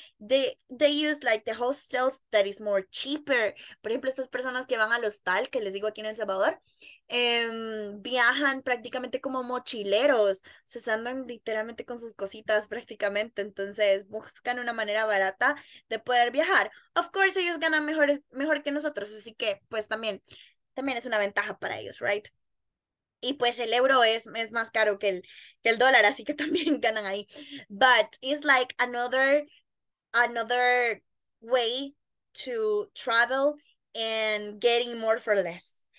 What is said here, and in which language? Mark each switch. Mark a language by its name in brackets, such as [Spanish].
[English] They use like the hostels that is more cheaper. [Spanish] Por ejemplo, estas personas que van al hostal, que les digo aquí en El Salvador, viajan prácticamente como mochileros. Se andan literalmente con sus cositas prácticamente. Entonces buscan una manera barata de poder viajar. [English] Of course, [Spanish] ellos ganan mejor que nosotros. Así que pues también es una ventaja para ellos, [English] right? [Spanish] Y pues el euro es más caro que el dólar, así que también ganan ahí. [English] But it's like another way to travel and getting more for less.